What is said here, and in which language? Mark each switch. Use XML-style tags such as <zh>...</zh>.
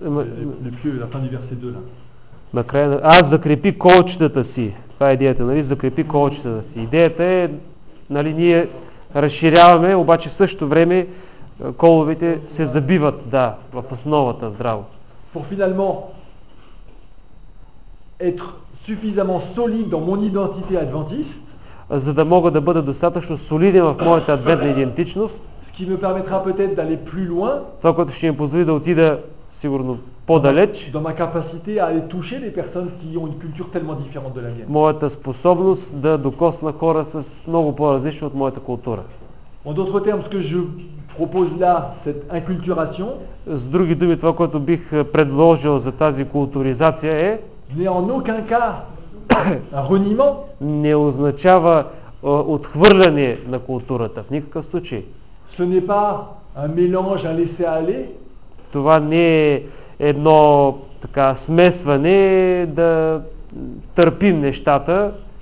<fr>Les pieux, la fin du verset 2 là.</fr> <bg>Накрая, аз закрепи колчетата си. Това е идеята, нали? Закрепи колчетата си. Идеята е, нали, ние разширяваме, обаче в същото време коловете се забиват, да, в основата, здраво.</bg> <fr>Pour finalement être suffisamment solide dans mon identité adventiste,</fr> <bg>за да мога да бъда достатъчно солиден в моята адвентна идентичност,</bg> <fr>ce qui me permettra peut-être d'aller plus loin,</fr> <bg>това, което ще ми позволи да отида сигурно по-далеч,</bg> <fr>dans ma capacité à aller toucher les personnes qui ont une culture tellement différente de la mienne.</fr> <bg>Моята способност да докосна хора с много по-различни от моята култура.</bg> <fr>En d'autres termes, ce que je propose là, cette inculturation,</fr> <bg>с други думи, това, което бих предложил за тази културизация е,</bg> <fr>n'est en aucun cas un reniement,</fr> <bg>не означава отхвърляне на културата в никакъв случай.</bg> <fr>Ce n'est pas un mélange, un laisser aller.</fr> <bg>Това не е едно така смесване да търпим нещата.</bg>